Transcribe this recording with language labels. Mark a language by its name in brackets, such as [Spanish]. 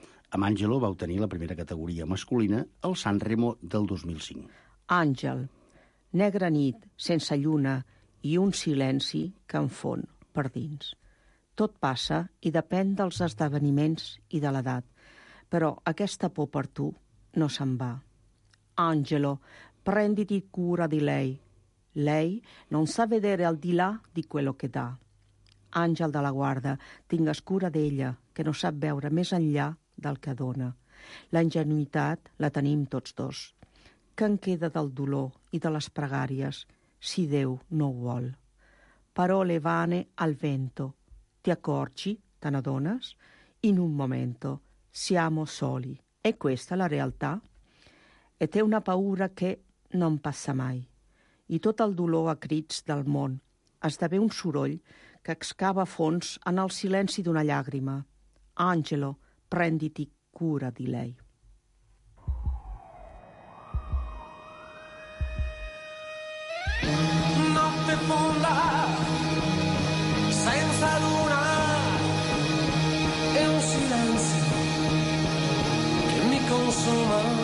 [Catalan] Amb Angelo va obtenir la primera categoria masculina al San Remo del 2005. Àngel, negra nit sense lluna i un silenci que enfon per dins. Tot passa i depèn dels esdeveniments i de l'edat, però aquesta por per tu no se'n va. [Italian] Angelo, prenditi cura di lei. Lei non sa vedere al di là di quello che dà. [Catalan] Àngel de la guarda, tingues cura d'ella, que no sap veure més enllà del que dona. La ingenuïtat la tenim tots dos. Què en queda del dolor i de les pregàries, si Déu no ho vol? [Italian] Parole vane al vento. Ti accorgi, [Catalan] te n'adones? [Italian] In un momento, siamo soli. È questa la realtà? E té una paura che non passa mai. [Catalan] I tot el dolor a crits del món esdevé un soroll que excava fons en el silenci d'una llàgrima. [Italian] Angelo, prenditi cura di lei. Notte fonda, senza luna, e un silenzio che mi consuma.